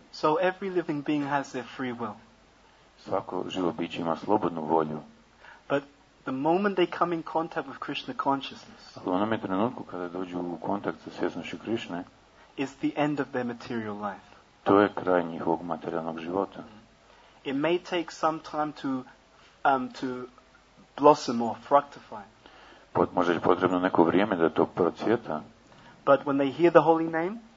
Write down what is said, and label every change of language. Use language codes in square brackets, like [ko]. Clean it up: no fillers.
[en] So every living being has their free will. [hr] Svako živo biće ima slobodnu volju. [en] But the moment they come in contact with Krishna consciousness. [hr] U onom trenutku kada dođu u kontakt sa svjesnošću Krišne, [en] is the end of their material life. [hr] To je kraj njihovog materijalnog života. [en] It may take some time to blossom or fructify. [hr] Može je potrebno neko vrijeme da to procvjeta. [en] But when they hear the holy name,